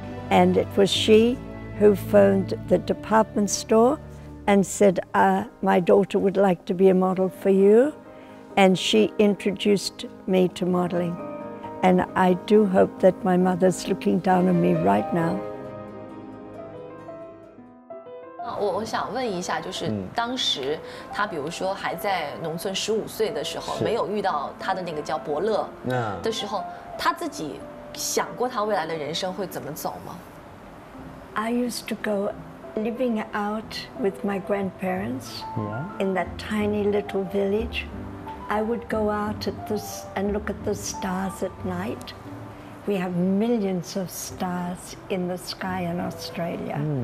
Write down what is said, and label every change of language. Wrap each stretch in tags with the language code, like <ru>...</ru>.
<en>And it was she who phoned the department store and said, my daughter would like to be a model for you. And she introduced me to modeling. And I do hope that my mother's looking down on me right now.</en> <zh>我想问一下，就是当时他比如说还在农村十五岁的时候，没有遇到他的那个叫伯乐的时候，他自己想过他未来的人生会怎么走吗</zh> <en>？I used to go living out with my grandparents in that tiny little village. I would go out at this and look at the stars at night. We have millions of stars in the sky in Australia.</en>